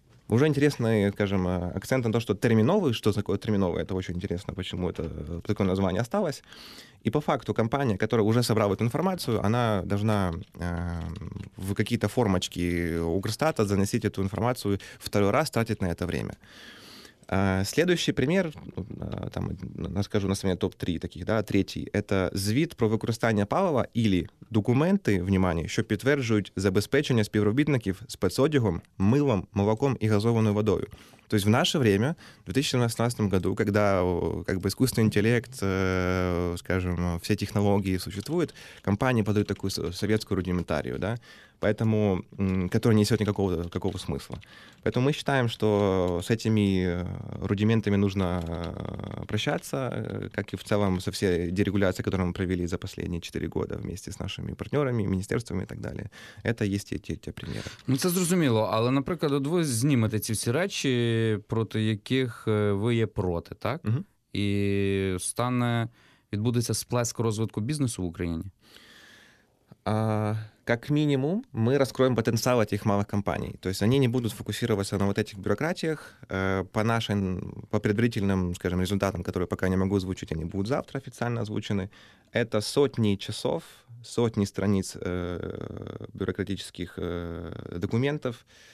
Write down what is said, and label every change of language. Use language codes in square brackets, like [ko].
[ru] Уже интересный, скажем, акцент на то, что терминовый, что такое терминовый, это очень интересно, почему это такое название осталось. И по факту компания, которая уже собрала эту информацию, она должна в какие-то формочки Укрстата заносить эту информацию второй раз, тратить на это время. Следующий пример, там, скажу на самом деле топ-3 таких, да, третий, это [uk] звіт про використання палива [ru] или документы, внимание, [uk] що підтверджують забезпечення співробітників спецодягом, милом, молоком [ru] и газованою водою. То есть в наше время, в 2018 году, когда как бы искусственный интеллект, скажем, все технологии существуют, компании подают такую советскую рудиментарию, да, поэтому, которая не несет никакого смысла. Поэтому мы считаем, что с этими рудиментами нужно прощаться, как и в целом со всей дерегуляцией, которую мы провели за последние 4 года вместе с нашими партнерами, министерствами и так далее. Это есть эти примеры. [uk] Ну, це зрозуміло, але, наприклад, от ви знімете ці всі речі, проти яких ви є проти, так? Угу. І стане, відбудеться сплеск розвитку бізнесу в Україні? [ru] Как минимум, мы раскроем потенциал этих малых компаний. То есть они не будут фокусироваться на вот этих бюрократиях. По нашим, по предварительным, скажем, результатам, которые пока не могу озвучить, они будут завтра официально озвучены. Это сотни часов, сотни страниц бюрократических документов.